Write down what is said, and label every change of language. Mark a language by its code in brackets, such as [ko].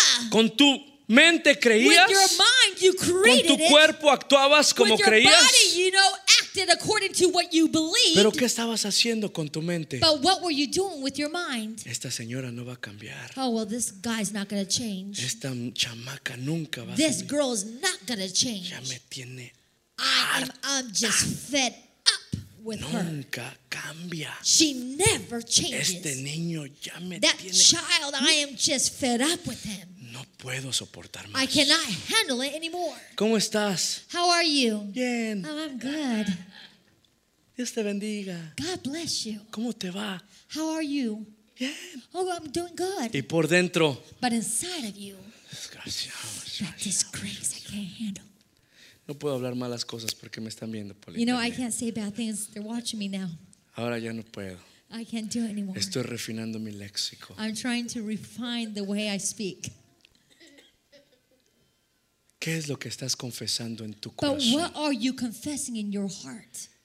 [es] ¿Con tu mente creías? ¿Con tu cuerpo actuabas como creías? [en] acted according to what you believed. [es] Pero ¿qué estabas haciendo con tu mente? [en] But what were you doing with your mind? [es] Esta señora no va a cambiar. [en] Oh, well, this guy's not going to change. [es] Esta chamaca nunca va [en] this girl's not going to change. [es] Ya me tiene [en] I'm just fed up with [es] nunca [en] her. [es] Cambia. [en] She never changes. [es] Este niño ya me [en] that [es] tiene [en] child, I am just fed up with him. [es] No puedo soportar más. [en] I cannot handle it anymore. [es] ¿Cómo estás? [en] How are you? [es] Bien. [en] Oh, I'm good. [es] Dios te bendiga. [en] God bless you. [es] ¿Cómo te va? [en] How are you? [es] Bien. [en] Oh, I'm doing good. [es] ¿Y por dentro? [en] But inside of you. [es] Desgraciado. [en] That disgrace I can't handle. [es] No puedo hablar malas cosas porque me están viendo por [en] you know, I can't say bad things. They're watching me now. [es] Ahora ya no puedo. [en] I can't do it anymore. [es] Estoy refinando mi léxico. [en] I'm trying to refine the way I speak. [es] ¿Qué es lo que estás confesando en tu [en] but [es] corazón? [en] But what are you confessing in your heart?